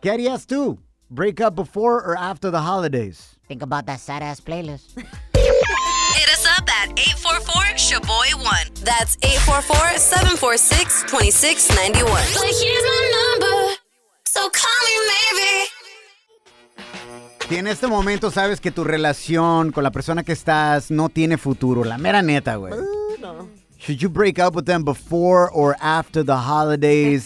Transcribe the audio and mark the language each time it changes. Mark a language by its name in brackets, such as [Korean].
[Spanish] ¿Qué harías tú? [English] Break up before or after the holidays? Think about that sad-ass playlist. Hit us up at 844-SHABOY1. That's 844-746-2691. But here's my number, so call me maybe. [Spanish] Si en este momento sabes que tu relación con la persona que estás no tiene futuro, la mera neta, güey. [English] Should you break up with them before or after the holidays?